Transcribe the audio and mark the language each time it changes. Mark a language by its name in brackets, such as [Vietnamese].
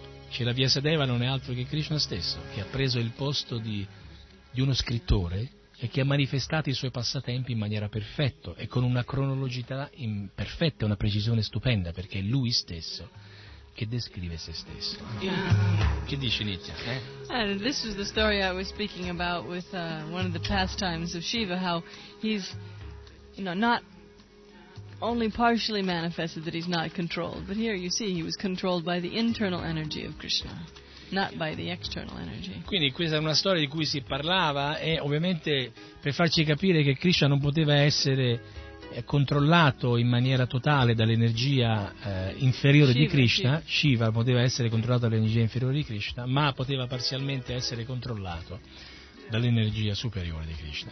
[Italian] Srila Vyasadeva non è altro che Krishna stesso, che ha preso il posto di uno scrittore e che ha manifestato i suoi passatempi in maniera perfetta e con una cronologicità perfetta, una precisione stupenda, perché è lui stesso che descrive se stesso. Che dice Nitya? [English] This is the story I was speaking about with one of the pastimes of Shiva, how he's, you know, not only partially manifested that he's not controlled, but here you see he was controlled by the internal energy of Krishna. Not by the external energy. [Italian] Quindi questa è una storia di cui si parlava, e ovviamente per farci capire che Krishna non poteva essere controllato in maniera totale dall'energia inferiore Shiva, di Krishna. Shiva poteva essere controllato dall'energia inferiore di Krishna, ma poteva parzialmente essere controllato dall'energia superiore di Krishna.